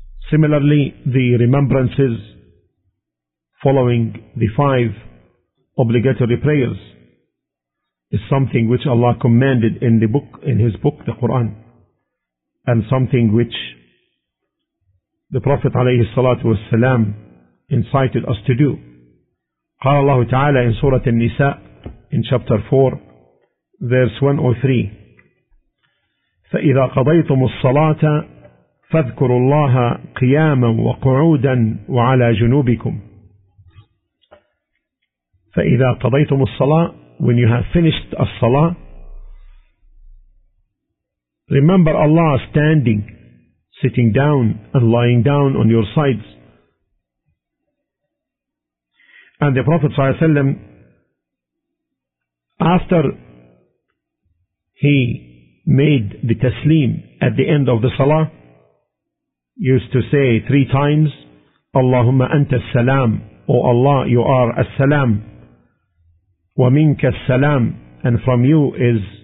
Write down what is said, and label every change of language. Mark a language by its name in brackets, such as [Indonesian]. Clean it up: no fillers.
[English] Similarly, the remembrances following the 5 obligatory prayers is something which Allah commanded in the book, in His book, the Quran, and something which the Prophet [Arabic] عليه الصلاة والسلام [English] incited us to do. [Arabic] قال الله تعالى in سورة النساء [English] in chapter 4 verse 103, [Arabic] فإذا قضيتم الصلاة فاذكروا الله قياما وقعودا وعلى جنوبكم. فإذا قضيتم الصلاة, [English] when you have finished الصلاة, remember Allah standing, sitting down and lying down on your sides. And the Prophet ﷺ, after he made the taslim at the end of the salah, used to say 3 times, [Arabic] Allahumma anta as-salam, [English] O Allah, you are as-salam, [Arabic] wa minka as-salam, [English] and from you is